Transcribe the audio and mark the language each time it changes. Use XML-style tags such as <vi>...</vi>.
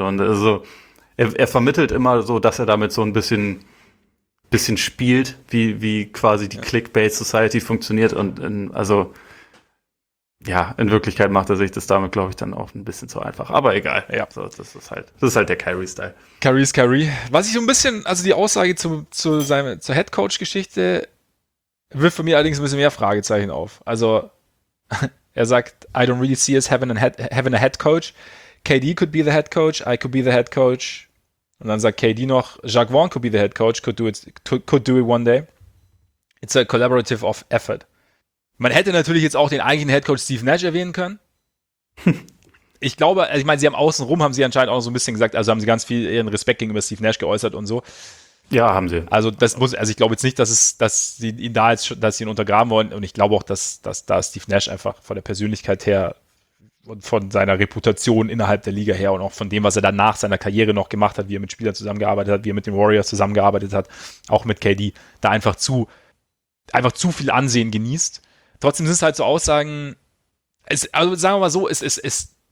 <de>Und also, er vermittelt immer so, dass er damit so ein bisschen spielt, wie quasi die Clickbait-Society funktioniert und in Wirklichkeit macht er sich das damit, glaube ich, dann auch ein bisschen zu einfach. Aber egal. Ja. So, das ist halt der Kyrie-Style. Kyrie ist Kyrie. Was ich so ein bisschen, also die Aussage zur Head-Coach-Geschichte wirft für mich allerdings ein bisschen mehr Fragezeichen auf. Also er sagt,</de> <en>I don't really see us having a head coach. KD could be the head coach, I could be the head coach.</en> <de>Und dann sagt KD noch,</de> <en>Jacques Vaughn could be the head coach, could do it one day. It's a collaborative of effort.</en> <de>Man hätte natürlich jetzt auch den eigentlichen Head Coach Steve Nash erwähnen können. Ich glaube, ich meine, sie haben außenrum, haben sie anscheinend auch so ein bisschen gesagt, also haben sie ganz viel ihren Respekt gegenüber Steve Nash geäußert und so. Ja, haben sie. Also das muss, also ich glaube jetzt nicht, dass sie ihn untergraben wollen. Und ich glaube auch, dass da Steve Nash einfach von der Persönlichkeit her und von seiner Reputation innerhalb der Liga her und auch von dem, was er dann nach seiner Karriere noch gemacht hat, wie er mit Spielern zusammengearbeitet hat, wie er mit den Warriors zusammengearbeitet hat, auch mit KD, da einfach zu viel Ansehen genießt. Trotzdem sind es halt so Aussagen, also sagen wir mal so, es</de>